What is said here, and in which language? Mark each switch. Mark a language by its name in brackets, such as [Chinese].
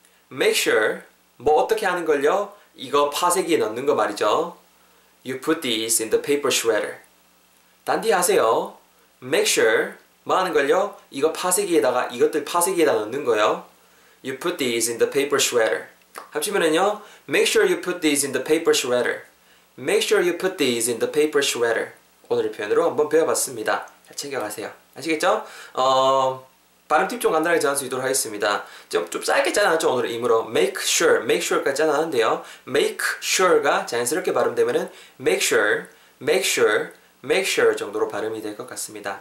[Korean] Make sure 뭐 어떻게 하는 걸요? 이거 파쇄기에 넣는 거 말이죠. [English] You put these in the paper shredder. [Korean] 단디 하세요. Make sure 뭐 하는 걸요? 이거 파쇄기에다가 이것들 파쇄기에다 넣는 거요. [English] You put these in the paper shredder. [Korean] 합치면은요. [English] Make sure you put these in the paper shredder. Make sure you put these in the paper shredder. [Korean] 오늘의 표현으로 한번 배워봤습니다. 잘 챙겨가세요. 아시겠죠? 발음 팁 좀 간단하게 전할 수 있도록 하겠습니다. 좀 짧게 짜놨죠? 오늘 임으로 make sure, make sure까지 짜놨는데요. make sure가 자연스럽게 발음되면은 make sure, make sure, make sure 정도로 발음이 될 것 같습니다.